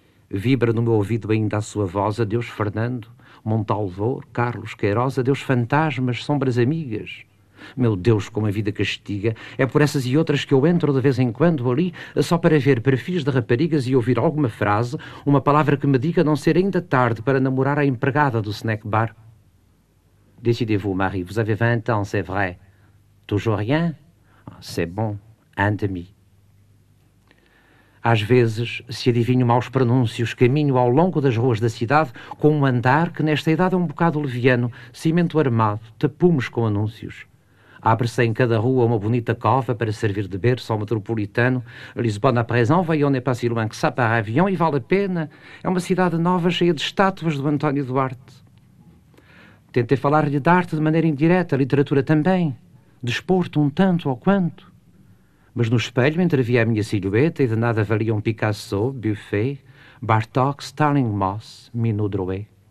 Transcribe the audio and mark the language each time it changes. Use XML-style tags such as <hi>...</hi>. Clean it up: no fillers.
<pt>Vibra no meu ouvido ainda a sua voz, adeus Fernando, Montalvor, Carlos Queiroz, adeus fantasmas, sombras amigas. Meu Deus, como a vida castiga. É por essas e outras que eu entro de vez em quando ali, só para ver perfis de raparigas e ouvir alguma frase, uma palavra que me diga não ser ainda tarde para namorar a empregada do snack bar.</pt> <fr>Décidez-vous, Marie, vous avez 20 ans, c'est vrai. Toujours rien? C'est bon, un demi.</fr> <pt>Às vezes, se adivinho maus pronúncios, caminho ao longo das ruas da cidade com um andar que nesta idade é um bocado leviano, cimento armado, tapumes com anúncios. Abre-se em cada rua uma bonita cova para servir de berço ao metropolitano.</pt> <fr>Lisbonne à présent, voyons n'est pas si loin que ça par avion,</fr> <pt>e vale a pena. É uma cidade nova, cheia de estátuas do António Duarte. Tentei falar-lhe de arte de maneira indireta, literatura também, desporto um tanto ou quanto. Mas no espelho entrevia a minha silhueta e de nada valiam Picasso, Buffet, Bartók, Stalin, Moss, Minou, Drouet.</pt>